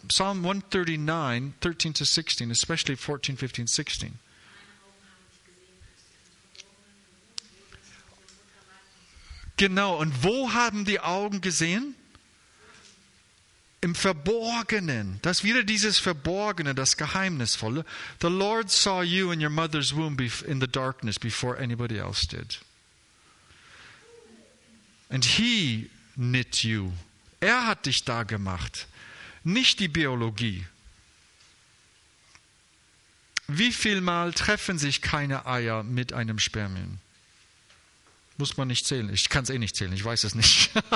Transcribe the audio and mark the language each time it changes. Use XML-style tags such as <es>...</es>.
<en>Psalm 139, 13 to 16, especially 14, 15, 16.</en> <de>Genau, und wo haben die Augen gesehen? Im Verborgenen, das wieder dieses Verborgene, das Geheimnisvolle.</de> <en>The Lord saw you in your mother's womb in the darkness before anybody else did. And he knit you.</en> <de>Er hat dich da gemacht, nicht die Biologie. Wie viel Mal treffen sich keine Eier mit einem Spermien? Muss man nicht zählen. Ich kann es eh nicht zählen, ich weiß es nicht.</de>